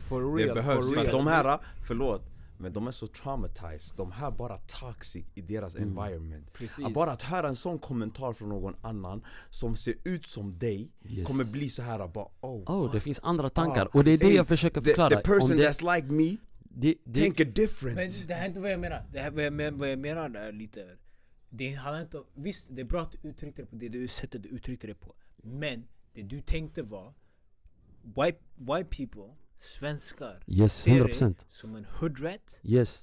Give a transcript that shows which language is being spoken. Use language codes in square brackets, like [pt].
[en] For real. [sv] Det behövs. [en] For real. [sv] För de här, förlåt, men de är så traumatized. De här bara toxic i deras environment. Precis. Att bara att höra en sån kommentar från någon annan som ser ut som dig, yes, kommer bli så här bara, det finns andra tankar. Och det är det jag försöker förklara. [en] The person that's like me, think a different. [sv] Men det här är inte vad jag menar. Det här vad jag menar där lite. Det har inte, visst, det är bra att du uttryckte det på det du sättet du uttryckte det på. Men det du tänkte var [en] white people, [sv] svenskar, [en] yes, 100%, [sv] som en hoodrat, [en] yes,